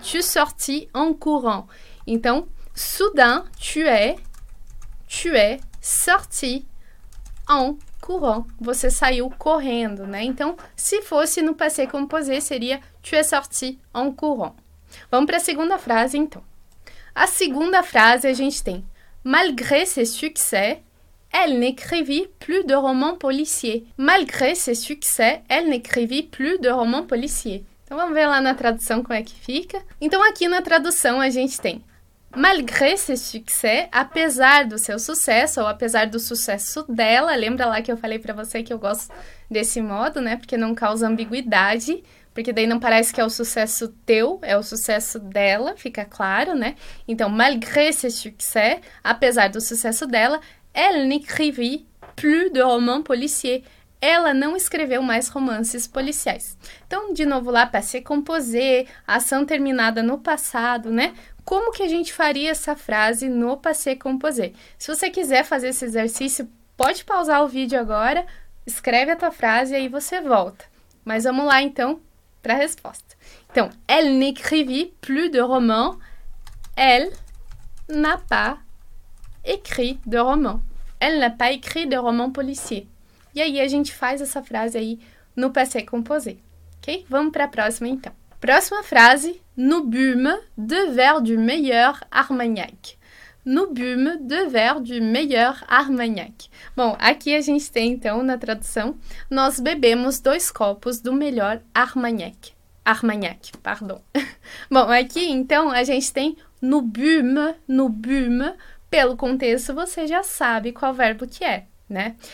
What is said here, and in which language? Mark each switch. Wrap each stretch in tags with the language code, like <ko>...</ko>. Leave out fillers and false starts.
<fr>Tu sortis en courant.</fr> <pt>Então,</pt> <fr>soudain, tu es sorti en courant.</fr> <pt>Você saiu correndo, né? Então, se fosse no passé composé, seria</pt> <fr>tu es sorti en courant.</fr> <pt>Vamos para a segunda frase, então. A segunda frase a gente tem:</pt> <fr>Malgré ses succès, elle n'écrivit plus de romans policiers. Malgré ses succès, elle n'écrivit plus de romans policiers.</fr> <pt>Então vamos ver lá na tradução como é que fica. Então aqui na tradução a gente tem:</pt> <fr>Malgré ses succès,</fr> <pt>apesar do seu sucesso, ou apesar do sucesso dela, lembra lá que eu falei para você que eu gosto desse modo, né? Porque não causa ambiguidade. Porque daí não parece que é o sucesso teu, é o sucesso dela, fica claro, né?</pt> <fr>Então, malgré ses succès,</fr> <pt>apesar do sucesso dela,</pt> <fr>elle n'écrivit plus de romans policiers.</fr> <pt>Ela não escreveu mais romances policiais. Então, de novo lá, passé composé, ação terminada no passado, né? Como que a gente faria essa frase no passé composé? Se você quiser fazer esse exercício, pode pausar o vídeo agora, escreve a tua frase e aí você volta. Mas vamos lá, então. Para a resposta. Então,</pt> <fr>elle n'écrivit plus de romans. Elle n'a pas écrit de romans. Elle n'a pas écrit de romans policiers.</fr> <pt>E aí a gente faz essa frase aí no passé composé. Ok? Vamos para a próxima então. Próxima frase:</pt> <fr>Nous bûmes deux verres du meilleur Armagnac. Nous bûmes deux verres du meilleur Armagnac.</fr> <pt>Bom, aqui a gente tem então na tradução: Nós bebemos dois copos do melhor Armagnac. Armagnac, pardon. Bom, aqui então a gente tem</pt> <fr>nous bûmes,</fr> <pt>pelo contexto você já sabe qual verbo que é, né?</pt>